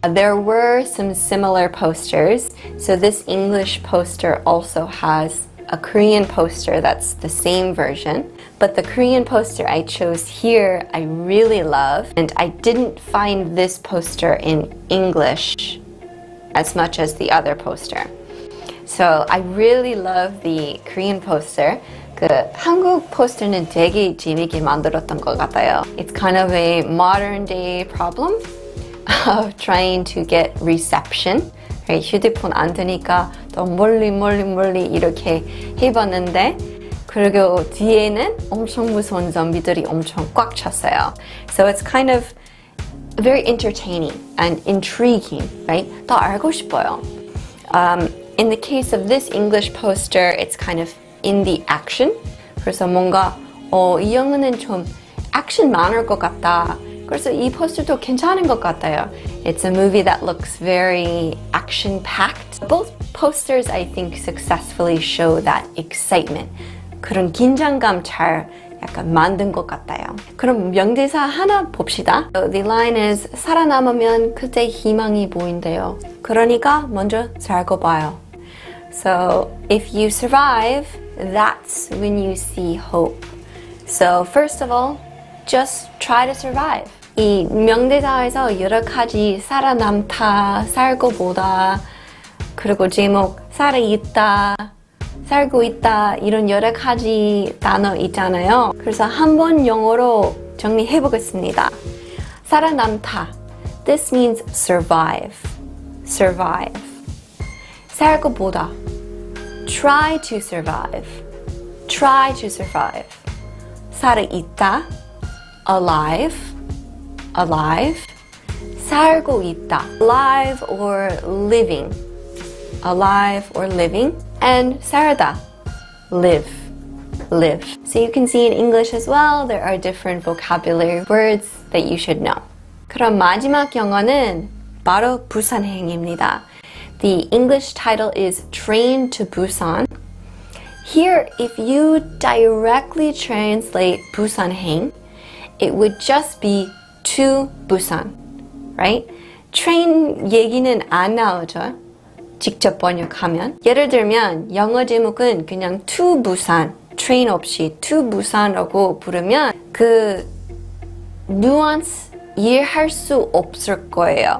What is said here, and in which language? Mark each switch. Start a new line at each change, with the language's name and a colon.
English: There were some similar posters. So this English poster also has a Korean poster that's the same version. But the Korean poster I chose here, I really love. And I didn't find this poster in English as much as the other poster. So I really love the Korean poster.
Korean: 그 한국 포스터는 되게 재미있게 만들었던 것 같아요.
English: It's kind of a modern day problem of trying to get reception.
Korean: 휴대폰 안 되니까 더 멀리 이렇게 해봤는데 그리고 뒤에는 엄청 무서운 좀비들이 엄청 꽉 찼어요.
English: So it's kind of very entertaining and intriguing, right?
Korean: 더 알고 싶어요.
English: In the case of this English poster, it's kind of in the action.
Korean: 그래서 뭔가 이 영화는 좀 액션 많을 것 같다. 그래서 이 포스터도 괜찮은 것 같아요.
English: It's a movie that looks very action-packed. Both posters, I think, successfully show that excitement.
Korean: 그런 긴장감 잘 약간 만든 것 같아요. 그럼 명대사 하나 봅시다.
English: So the line is,
Korean: 살아남으면 그때 희망이 보인대요. 그러니까 먼저 살고 봐요.
English: So if you survive, that's when you see hope. So first of all, just try to survive.
Korean: 이 명대사에서 여러 가지 살아남다, 살고 보다, 그리고 제목 살아있다, 살고 있다 이런 여러 가지 단어 있잖아요. 그래서 한번 영어로 정리해 보겠습니다. 살아남다.
English: This means survive. Survive.
Korean: 살고 보다.
English: Try to survive. Try to survive.
Korean: 살아있다.
English: Alive. Alive.
Korean: 살고 있다.
English: Alive or living. Alive or living. And 살다. Live. Live. So you can see in English as well, there are different vocabulary words that you should know.
Korean: 그럼 마지막 영화는 바로 부산행입니다.
English: The English title is Train to Busan. Here, if you directly translate Busan Heng, it would just be to Busan, right?
Korean: Train 얘기는 안 나오죠. 직접 번역하면. 예를 들면 영어 제목은 그냥 to Busan, train 없이 to Busan이라고 부르면 그 nuance 이해할 수 없을 거예요.